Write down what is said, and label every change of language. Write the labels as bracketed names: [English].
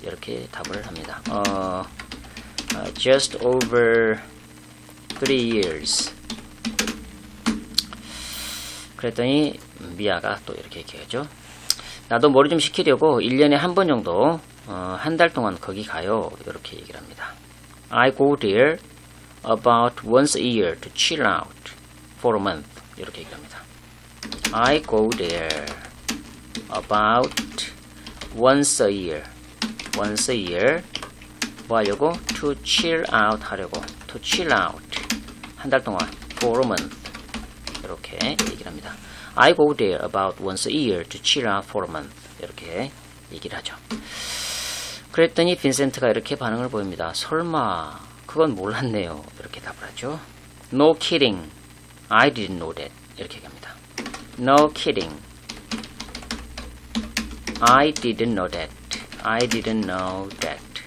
[Korean] 이렇게 답을 합니다. [English] Just over 3 years. [Korean] 그랬더니 미아가 또 이렇게 얘기하죠. 나도 머리 좀 식히려고 1년에 한번 정도 한달 동안 거기 가요. 이렇게 얘기를 합니다. [English] I go there about once a year to chill out for a month. [Korean] 이렇게 얘기합니다. [English] I go there about once a year. Once a year. [Korean] 뭐 하려고? [English] To chill out [Korean] 하려고. [English] To chill out. [Korean] 한달 동안. [English] For a month. [Korean] 이렇게 얘기를 합니다. [English] I go there about once a year to chill out for a month. [Korean] 이렇게 얘기를 하죠. 그랬더니 빈센트가 이렇게 반응을 보입니다. 설마, 그건 몰랐네요. 이렇게 답을 하죠. [English] No kidding. I didn't know that. [Korean] 이렇게 얘기합니다. [English] No kidding. I didn't know that. I didn't know that.